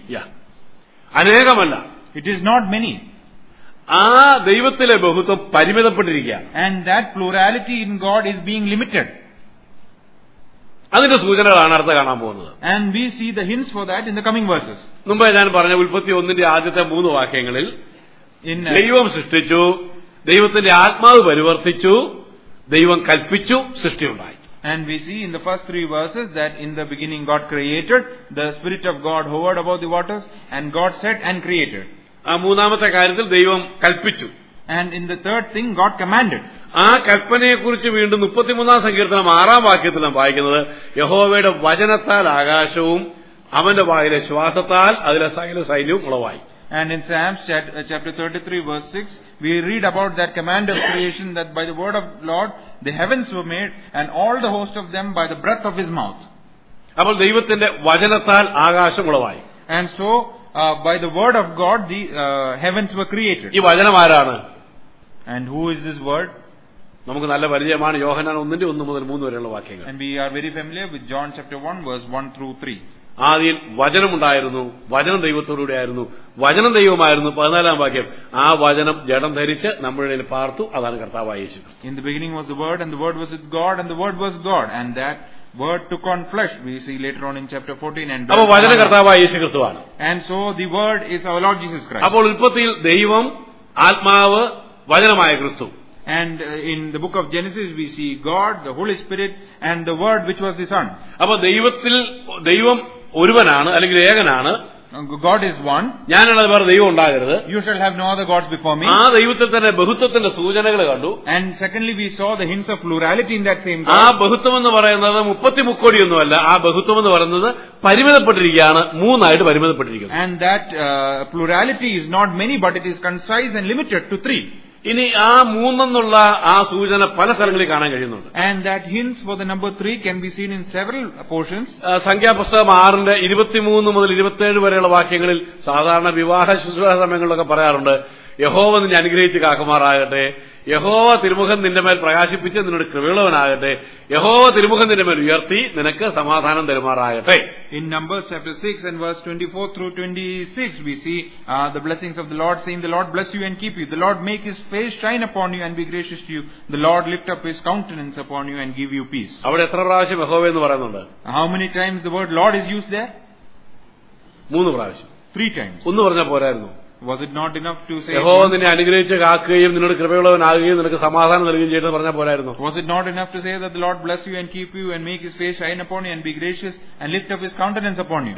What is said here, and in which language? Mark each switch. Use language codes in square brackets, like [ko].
[en] Yeah. [ml] അനേകമല്ല. [en] It is not many. [ml] ആ ദൈവത്തിലെ ബഹുത്വം പരിമിതപ്പെട്ടിരിക്കുക. [en] And that plurality in God is being limited. [ml] അതിന്റെ സൂചനകളാണ് അടുത്ത് കാണാൻ പോകുന്നത്. [en] And we see the hints for that in the coming verses. [ml] മുമ്പേ ഞാൻ പറഞ്ഞ ഉൽപ്പത്തി 1:3 ആദ്യത്തെ മൂന്ന് വാക്യങ്ങളിൽ ദൈവം സൃഷ്ടിച്ചു, ദൈവത്തിന്റെ ആത്മാവ് പരിവർത്തിച്ചു, ദൈവം കൽപ്പിച്ചു, സൃഷ്ടിയുണ്ടായി. [en] And we see in the first 3 verses that in the beginning God created, the spirit of God hovered above the waters, and God said and created. [ml] ആ മൂന്നാമത്തെ കാര്യത്തിൽ ദൈവം കൽപ്പിച്ചു. [en] And in the third thing God commanded. [ml] ആ കൽപ്പനയെക്കുറിച്ച് വീണ്ടും 33 സങ്കീർത്തനം 6 വാക്യത്തിൽ നാം വായിക്കുന്നത്, യഹോവയുടെ വചനത്താൽ ആകാശവും അവന്റെ വായിലെ ശ്വാസത്താൽ അതിലെ സകല സൈന്യവും ഉളവായി. [en] And in Psalms chapter 33 verse 6 we read about that command of creation that by the word of Lord the heavens were made and all the host of them by the breath of his mouth. [ml] അപ്പോൾ ദൈവത്തിന്റെ വചനത്താൽ ആകാശം ഉളവായി. [en] And so by the word of God the heavens were created. [ml] ഈ വചനം ആരാണ്? [en] And who is this word? [ml] നമുക്ക് നല്ല പരിചയമാണ് യോഹന്നാൻ 1:1-3 വരെയുള്ള വാക്യങ്ങൾ. [en] And we are very familiar with John chapter 1 verse 1-3. [ml] ആദിയിൽ വചനമുണ്ടായിരുന്നു, വചനം ദൈവത്തോടുകൂടെ ആയിരുന്നു, വചനം ദൈവമായിരുന്നു. 14 വാക്യം, ആ വചനം ജഡം ധരിച്ച് നമ്മുടെ ഇടയിൽ പാർത്തു, അതാണ് കർത്താവായ യേശു ക്രിസ്തു. [en] In the beginning was the word and the word was with God and the word was God and that word took on flesh we see later on in chapter 14 and [ml] അപ്പോൾ വചന കർത്താവായ യേശു ക്രിസ്തു ആണ്. [en] And so the word is our Lord Jesus Christ. [ml] അപ്പോൾ ഉൽപ്പത്തിയിൽ ദൈവം, ആത്മാവ്, വചനമായ ക്രിസ്തു. [en] And in the book of Genesis we see God, the Holy Spirit and the word which was his son. [ml] അപ്പോൾ ദൈവത്തിൽ ദൈവം ഒരുവനാണ് അല്ലെങ്കിൽ ഏകനാണ്. [en] God is one. [ml] ഞാനല്ലാതെ വേറെ ദൈവം ഉണ്ടാകരുത്. [en] You shall have no other gods before me. [ml] ആ ദൈവത്തിൽ തന്നെ ബഹുത്വത്തിന്റെ സൂചനകൾ കണ്ടു. [en] And secondly we saw the hints of plurality in that same God. [ml] ആ ബഹുത്വം എന്ന് പറയുന്നത് 33 കോടി ഒന്നുമല്ല, ആ ബഹുത്വം എന്ന് പറയുന്നത് പരിമിതപ്പെട്ടിരിക്കുകയാണ്, മൂന്നായിട്ട് പരിമിതപ്പെട്ടിരിക്കുന്നു. [en] And that plurality is not many but it is concise and limited to 3. [ml] ഇനി ആ മൂന്നെന്നുള്ള ആ സൂചന പല സ്ഥലങ്ങളിൽ കാണാൻ കഴിയുന്നുണ്ട്. [en] And that hints for the number 3 can be seen in several portions. [ml] സംഖ്യാപുസ്തകം 6:23-27 വരെയുള്ള വാക്യങ്ങളിൽ സാധാരണ വിവാഹ ശുശ്രൂഷ സമയങ്ങളിലൊക്കെ പറയാറുണ്ട്, യഹോവ നിന്നെ അനുഗ്രഹിച്ച് കാക്കുമാറാകട്ടെ, യഹോവ തിരുമുഖം നിന്റെ മേൽ പ്രകാശിപ്പിച്ച് നിന്നോട് കൃപയുള്ളവനാകട്ടെ, യഹോവ തിരുമുഖം നിന്റെ മേൽ ഉയർത്തി നിനക്ക് സമാധാനം തരുമാറാകട്ടെ. [en] In Numbers chapter 6 and verse 24-26 we see the blessings of the Lord saying the Lord bless you and keep you, the Lord make his face shine upon you and be gracious to you, the Lord lift up his countenance upon you and give you peace. [ml] അവിടെ എത്ര പ്രാവശ്യം യഹോവ എന്ന് പറയുന്നുണ്ട്? [en] How many times the word Lord is used there? [ml] മൂന്ന് പ്രാവശ്യം. [en] Three times. [ml] ഒന്ന് പറഞ്ഞാൽ പോരായിരുന്നു? [en] Was it not enough to say [ml] യഹോവ നിന്നെ അനുഗ്രഹിച്ച് കാക്കുകയും നിന്നോട് കൃപയുള്ളവനാകുകയും നിനക്ക് സമാധാനം നൽകുകയും ചെയ്തെന്ന് പറഞ്ഞാൽ പോരായിരുന്നു? [en] Was it not enough to say that the Lord bless you and keep you and make his face shine upon you and be gracious and lift up his countenance upon you?